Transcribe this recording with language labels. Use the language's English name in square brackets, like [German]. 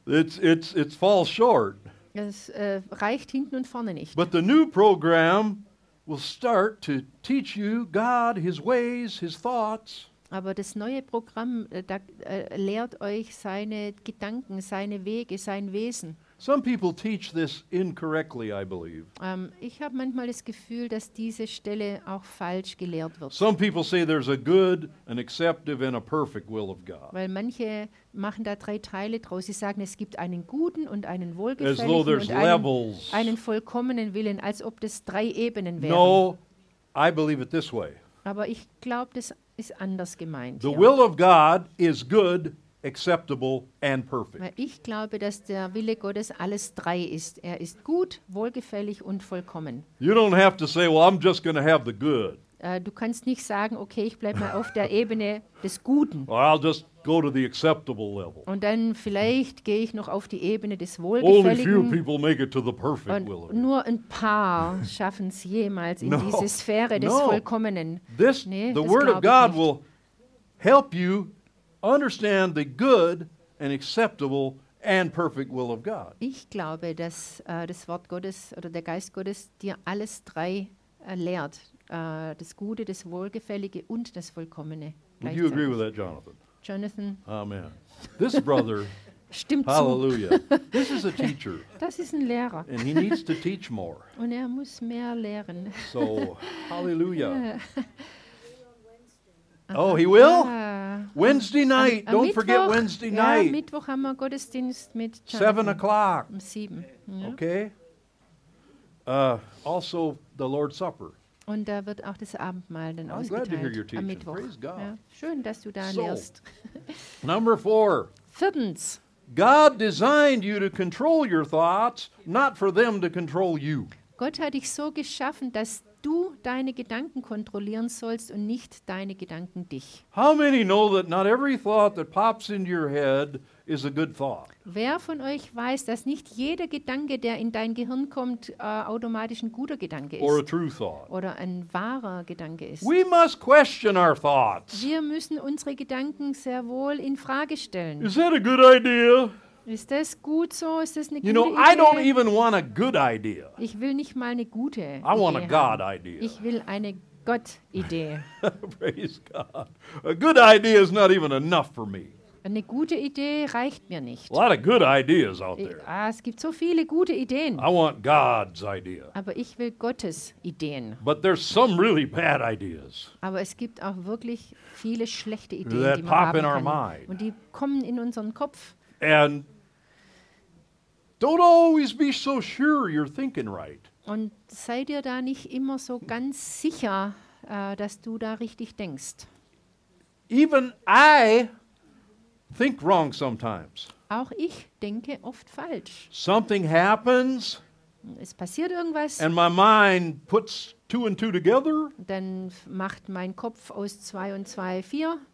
[English] It falls short. [German] Es reicht hinten und vorne nicht. [English] But the new program will start to teach you God, his ways, his thoughts. [German] Aber das neue Programm lehrt euch seine Gedanken, seine Wege, sein Wesen. [English] Some people teach this incorrectly, I believe. [German] Ich habe manchmal das Gefühl, dass diese Stelle auch falsch gelehrt wird. [English] Some people say there's a good, an acceptable, and a perfect will of God. [German] Weil manche machen da drei Teile draus. Sie sagen, es gibt einen guten und einen wohlgefälligen und einen vollkommenen Willen, als ob das drei Ebenen wären. [English] No, I believe it this way. [German] Aber ich glaube, das ist anders gemeint. [English] The will of God is good, acceptable and perfect. [German] Ich glaube, dass der Wille Gottes alles drei ist. Er ist gut, wohlgefällig und vollkommen. [English] You don't have to say, well, I'm just going to have the good. [German] Du kannst nicht sagen, okay, ich bleibe mal auf der Ebene des Guten. [English] Or I'll just go to the acceptable level. [German] Und dann vielleicht gehe ich noch auf die Ebene des Wohlgefälligen. [English] Only few people make it to the perfect [German] und [English] will. [German] Nur ein paar schaffen es jemals in diese Sphäre des Vollkommenen. [English] This, nee, the Word of God will help you understand the good and acceptable and perfect will of God. [German] Ich glaube, dass das Wort Gottes oder der Geist Gottes dir alles drei lehrt, das Gute, das Wohlgefällige und das Vollkommene. [English] Would you agree with that, Jonathan? Jonathan. Amen. This brother. [German] Stimmt hallelujah. Zu. [English] This is a teacher. [German] Das ist ein Lehrer. [English] And he needs to teach more. [German] Und er muss mehr lehren. [English] So, hallelujah. Oh, he will? Wednesday night. Don't [German] Mittwoch, [English] forget Wednesday night. [German] Ja, Mittwoch haben wir Gottesdienst mit [English] 7 o'clock. [German] Um 7. Ja. [English] Okay. Also the Lord's Supper. [German] Und da wird auch das Abendmahl dann ausgeteilt. [English] I'm glad to hear your teaching. [German] Am Mittwoch. [English] Praise God. [German] Ja. Schön, dass du da lehrst. [English] Number 4. [German] Viertens. [English] God designed you to control your thoughts, not for them to control you. [German] Gott hat dich so geschaffen, dass du deine Gedanken kontrollieren sollst und nicht deine Gedanken dich. [English] How many know that not every thought that pops into your head is a good thought? [German] Wer von euch weiß, dass nicht jeder Gedanke, der in dein Gehirn kommt, automatisch ein guter Gedanke ist? [English] Or a true thought. [German] Oder ein wahrer Gedanke ist? [English] We must question our thoughts. [German] Wir müssen unsere Gedanken sehr wohl in Frage stellen. [English] Is that a good idea? [German] Ist das gut so? Ist das eine [English] you know, [German] gute [English] I don't even want a good idea. [German] Ich will nicht mal eine gute [English] I [German] Idee [English] want a God [German] haben. [English] Idea. [German] Ich will eine Gott-Idee. [English] Praise God. A good idea is not even enough for me. [German] Eine gute Idee reicht mir nicht. [English] A lot of good ideas out there. [German] Es gibt so viele gute Ideen. [English] I want God's idea. [German] Aber ich will Gottes Ideen. [English] But there's some really bad ideas. [German] Aber es gibt auch wirklich viele schlechte Ideen, [English] that [German] die man [English] pop [German] haben [English] in our [German] kann. [English] Mind. [German] Und die kommen in unseren Kopf. [English] And don't always be so sure you're thinking right. [German] Und sei dir da nicht immer so ganz sicher, dass du da richtig denkst. [English] Even I think wrong sometimes. [German] Auch ich denke oft falsch. [English] Something happens. [German] Es passiert irgendwas. [English] And my mind puts two and two together. [German] Dann macht mein Kopf aus zwei und zwei vier.